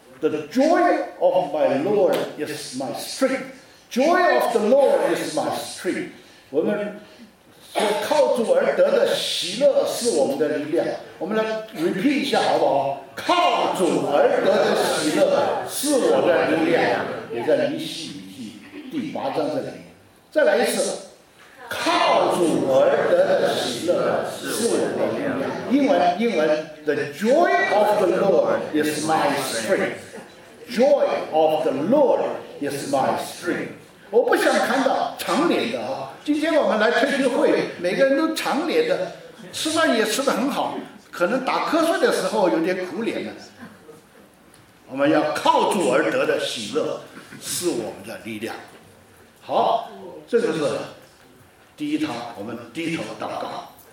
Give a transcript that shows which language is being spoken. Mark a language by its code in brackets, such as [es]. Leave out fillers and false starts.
[en] The joy of my Lord is my strength. Joy of the Lord is my strength. [zh] 我们所靠主而得的喜乐是我们的力量。我们来 repeat 一下好不好？靠主而得的喜乐是我的力量。也在尼西米记第八章这里。再来一次，靠主而得的喜乐是我的力量。 [en] 英文 The joy of the Lord is my strength. Joy of the Lord is my strength. [zh] 我不想看到长脸的啊！今天我们来退休会，每个人都长脸的，吃饭也吃得很好，可能打瞌睡的时候有点苦脸的。我们要靠主而得的喜乐是我们的力量。好，这就是第一堂我们低头祷告。